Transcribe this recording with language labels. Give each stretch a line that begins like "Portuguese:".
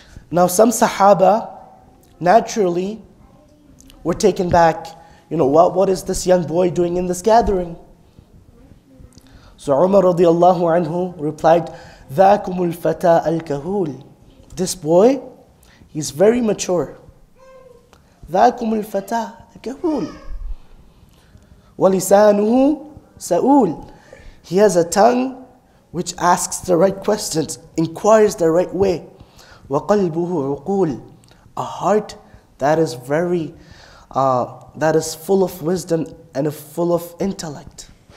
English: Now some Sahaba naturally were taken back. You know, what is this young boy doing in this gathering? So Umar radiallahu anhu replied,
Arabic: "Thakumul fata al-kahul."
English: This boy, he's very mature.
Arabic: ذاكم الفتى كهول ولسانه سؤول.
English: He has a tongue which asks the right questions, inquires the right way.
Arabic: وَقَلْبُهُ عُقُولٌ.
English: A heart that is very, that is full of wisdom and full of intellect.